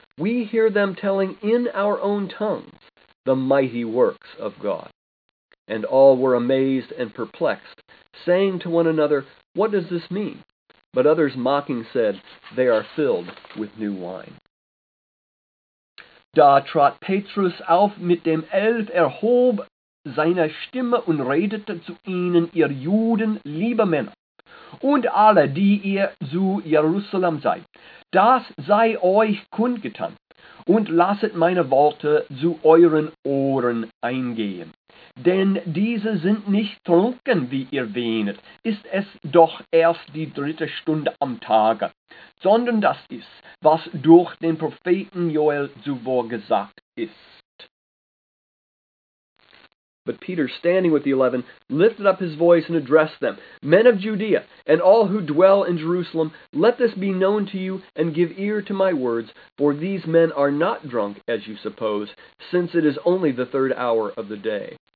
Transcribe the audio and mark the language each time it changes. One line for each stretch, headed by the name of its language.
English: We hear them telling in our own tongues the mighty works of God." And all were amazed and perplexed, saying to one another, "What does this mean?" But others mocking said, "They are filled with new wine."
German: Da trat Petrus auf mit dem Elf, erhob seine Stimme und redete zu ihnen, ihr Juden, liebe Männer, und alle, die ihr zu Jerusalem seid, das sei euch kundgetan, und lasset meine Worte zu euren Ohren eingehen. Denn diese sind nicht trunken, wie ihr wähnet, ist es doch erst die dritte Stunde am Tage, sondern das ist, was durch den Propheten Joel zuvor gesagt ist.
English: But Peter, standing with the 11, lifted up his voice and addressed them, Men of Judea, and all who dwell in Jerusalem, let this be known to you and give ear to my words, for these men are not drunk, as you suppose, since it is only the third hour of the day.